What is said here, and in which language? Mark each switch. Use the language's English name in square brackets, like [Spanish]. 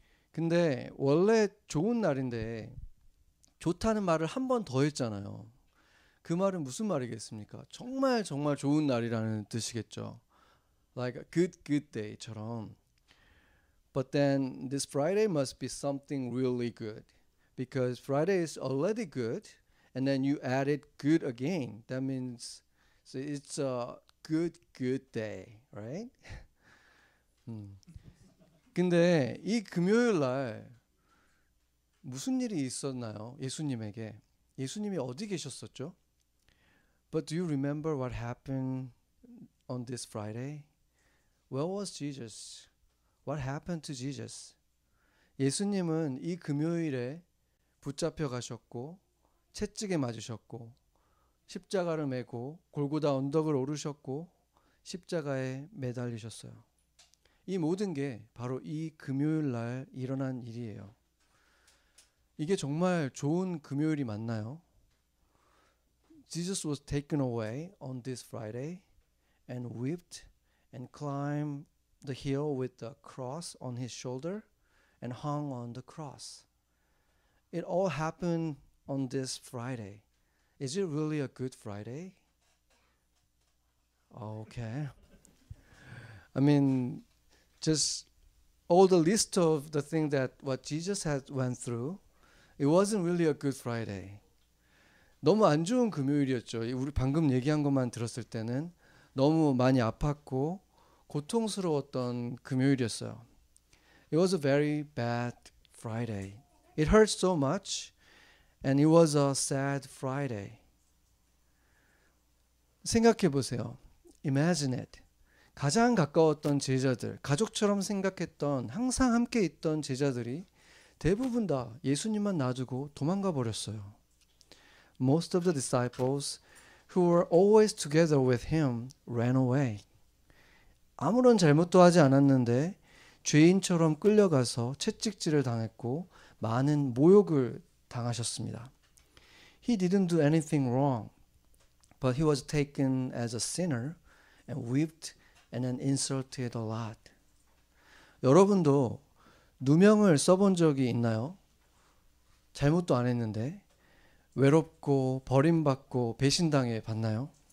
[Korean] 근데 원래 좋은 날인데 좋다는 말을 한 번 더 했잖아요. 그 말은 무슨 말이겠습니까? 정말 정말 좋은 날이라는 뜻이겠죠. [English] Like a good day처럼. But then this Friday must be something really good. Because Friday is already good, and then you add it good again. That means so it's a good day, right? [Korean] 근데 이 금요일 날 무슨 일이 있었나요? 예수님에게. 예수님이 어디 계셨었죠? [English] But do you remember what happened on this Friday? Where was Jesus? What happened to Jesus? [Korean] 예수님은 이 금요일에 붙잡혀 가셨고 채찍에 맞으셨고 십자가를 메고 골고다 언덕을 오르셨고 십자가에 매달리셨어요. 이 모든 게 바로 이 금요일 날 일어난 일이에요. 이게 정말 좋은 금요일이 맞나요? [English] Jesus was taken away on this Friday and whipped and climbed the hill with the cross on his shoulder and hung on the cross. It all happened on this Friday. Is it really a good Friday? Okay. I mean, just all the list of the thing that what Jesus had went through, it wasn't really a good Friday. [Korean] 너무 안 좋은 금요일이었죠. 우리 방금 얘기한 것만 들었을 때는 너무 많이 아팠고 고통스러웠던 금요일이었어요. [English] It was a very bad Friday. It hurt so much, and it was a sad Friday. [Korean] 생각해 보세요. [English] Imagine it. [Korean] 가장 가까웠던 제자들, 가족처럼 생각했던, 항상 함께 있던 제자들이 대부분 다 예수님만 놔두고 도망가 버렸어요. [English] Most of the disciples who were always together with him ran away. [Korean] 아무런 잘못도 하지 않았는데 죄인처럼 끌려가서 채찍질을 당했고 많은 모욕을 당하셨습니다. [English] He didn't do anything wrong, but he was taken as a sinner and whipped and then insulted a lot. [Korean] 여러분도 누명을 써본 적이 있나요? 잘못도 안 했는데 외롭고 버림받고 배신당해 봤나요?